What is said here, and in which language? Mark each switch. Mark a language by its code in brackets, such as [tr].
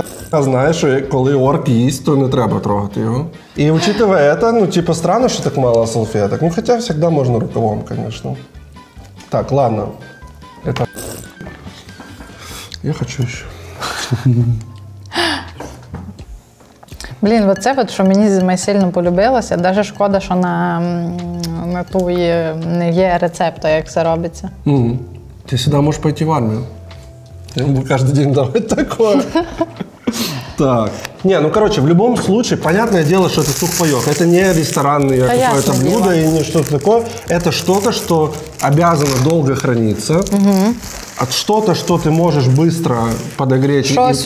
[uk] А знаешь, що коли орк їсть, то не треба трогати його. [ru] І учитывая это, ну типа странно, що так мало салфеток. [uk] Ну хоча завжди можна рукавом, звісно. [ru] Так, ладно. Это... Я хочу ще. [uk] Блін, оце от, що мені сильно полюбилося. Даже шкода, що на ту не є рецепту, як це робиться. Mm-hmm. Ти сюди можеш пойти в армію. Я буду кожен день давати такое. Так. [ru] Не, ну короче, в любом случае, понятное дело, что это сухпайок. Это не ресторанное какое-то блюдо и не что-то такое. Это что-то, что обязано долго храниться. Угу. От что-то, что ты можешь быстро подогреть и поесть.